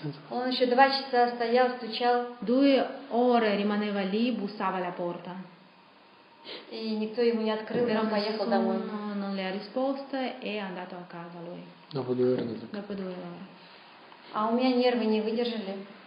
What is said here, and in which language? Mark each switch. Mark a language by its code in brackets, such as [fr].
[ru] Он еще два часа стоял, стучал. [it] Due ore rimaneva lì, bussava la porta. [ru] И никто ему не открыл, [it] però [ru] он поехал домой. [it] Non le ha risposto e è andato a casa lui. Dopo due ore. Dopo due ore. [ru] А у меня нервы не выдержали.